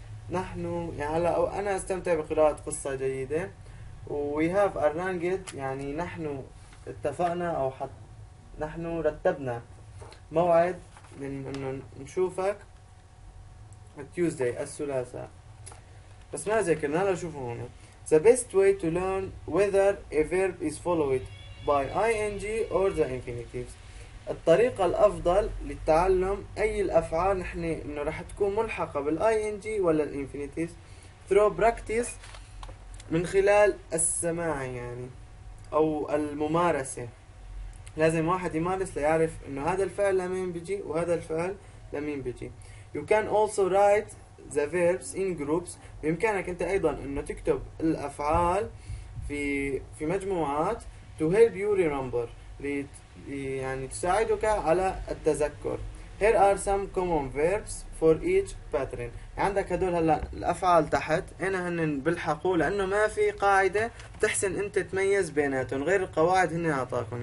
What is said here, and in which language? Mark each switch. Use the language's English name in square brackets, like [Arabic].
[Arabic] نحن يعني هلا أو أنا أستمتع بقراءة قصة جيدة. [English] We have arranged [Arabic] يعني نحن اتفقنا أو حط نحن رتبنا موعد إنه نشوفك Tuesday الثلاثاء. بس ما ذكرنا هلا شوفوا هنا. [English] The best way to learn whether a verb is followed by ing or the infinitives. [Arabic] الطريقة الأفضل للتعلم أي الأفعال نحن إنه راح تكون ملحقة بال ing ولا ال infinitives [English] through practice [Arabic] من خلال السماع يعني أو الممارسة. لازم واحد يمارس ليعرف إنه هذا الفعل لمين بيجي وهذا الفعل لمين بيجي. [English] You can also write the verbs in groups. [Arabic] بإمكانك أنت أيضا إنه تكتب الأفعال في مجموعات [English] to help you remember. [Arabic] يعني تساعدك على التذكر. [English] Here are some common verbs for each pattern. [Arabic] عندك هدول هلا الأفعال تحت هنا هن بلحقوا لأنه ما في قاعدة تحسن أنت تميز بيناتهم غير القواعد هن أعطاكم.